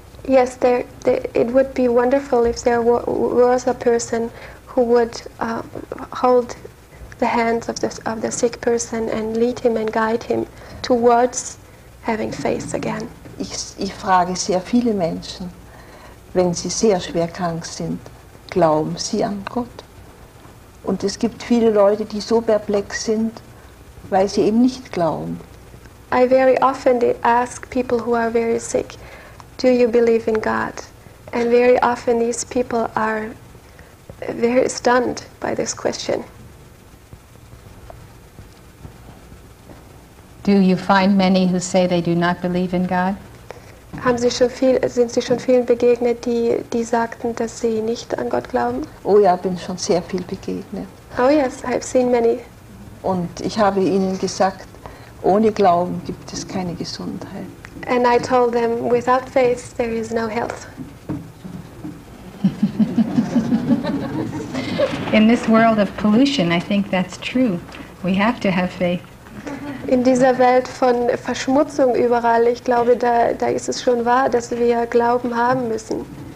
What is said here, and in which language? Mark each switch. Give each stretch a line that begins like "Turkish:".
English: Yes, it would be wonderful if there was a person who would hold the hands of the sick person and lead him and guide him towards having faith again.
German: Ich frage sehr viele Menschen, wenn sie sehr schwer krank sind, glauben sie an Gott? Und es gibt viele Leute, die so perplex sind, weil sie eben nicht glauben.
English: I very often ask people who are very sick, do you believe in God? And very often these people are very stunned by this question. Do you find many who say they do not believe in God?
German: Haben Sie schon viel, sind Sie schon vielen begegnet, die sagten, dass sie nicht an Gott glauben? Oh ja, bin schon sehr viel begegnet.
English: Oh yes, I've seen many.
German: Und ich habe ihnen gesagt, ohne Glauben gibt es keine Gesundheit.
English: And I told them, without faith, there is no health. In this world of pollution, I think that's true. We have to have faith.
German: In dieser Welt von Verschmutzung überall, ich glaube, da ist es schon wahr, dass wir Glauben haben müssen.